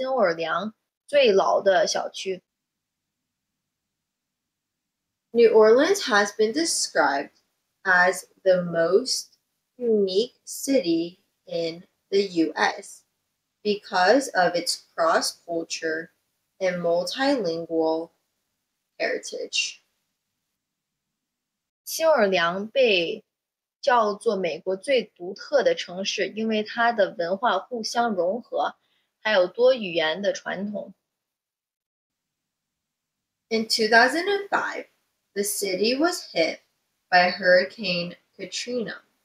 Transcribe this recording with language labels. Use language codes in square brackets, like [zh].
[zh] 它是在1718年建的，然后是新奥尔良最老的小区. [en] New Orleans has been described as the most unique city in the U.S. because of its cross-culture and multilingual heritage. [zh] 新奥尔良被叫做美国最独特的城市，因为它的文化互相融合，还有多语言的传统. [en] In 2005, the city was hit by Hurricane Katrina.